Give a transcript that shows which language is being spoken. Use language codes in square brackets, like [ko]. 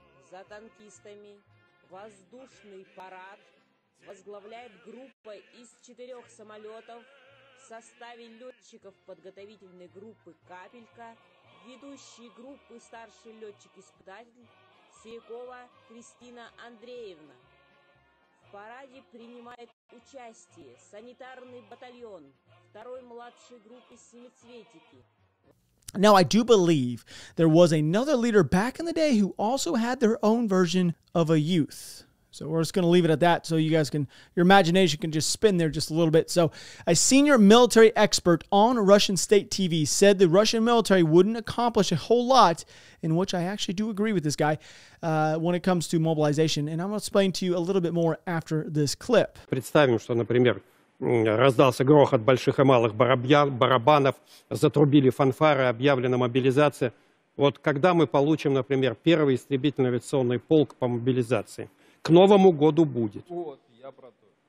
[ru] За танкистами воздушный парад возглавляет группа из четырех самолетов в составе летчиков подготовительной группы «Капелька», ведущие группы старший летчик-испытатель Сиякова Кристина Андреевна. В параде принимает участие санитарный батальон второй младшей группы «Семицветики». [en] Now, I do believe there was another leader back in the day who also had their own version of a youth. So we're just going to leave it at that so you guys can, your imagination can just spin there just a little bit. So a senior military expert on Russian state TV said the Russian military wouldn't accomplish a whole lot, in which I actually do agree with this guy, when it comes to mobilization. And I'm going to explain to you a little bit more after this clip. [ru] Представим, что, например, раздался грохот больших и малых барабанов, затрубили фанфары, объявлена мобилизация. Вот когда мы получим, например, первый истребительно-авиационный полк по мобилизации? К Новому году будет. Вот, я про то.